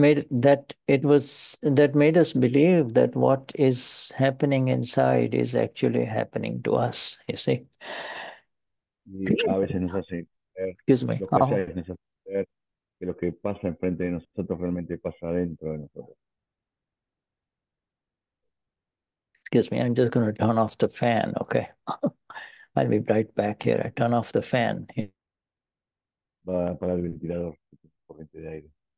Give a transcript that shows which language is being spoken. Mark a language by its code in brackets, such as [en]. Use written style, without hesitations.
[en] That made us believe that what is happening inside is actually happening to us, you see. [es] A veces nos hace ver que lo que pasa enfrente de nosotros realmente pasa dentro de nosotros. [en] Excuse me, I'm just going to turn off the fan, okay? I'll be right back here. I turn off the fan. [es] Va a parar el ventilador, corriente de aire.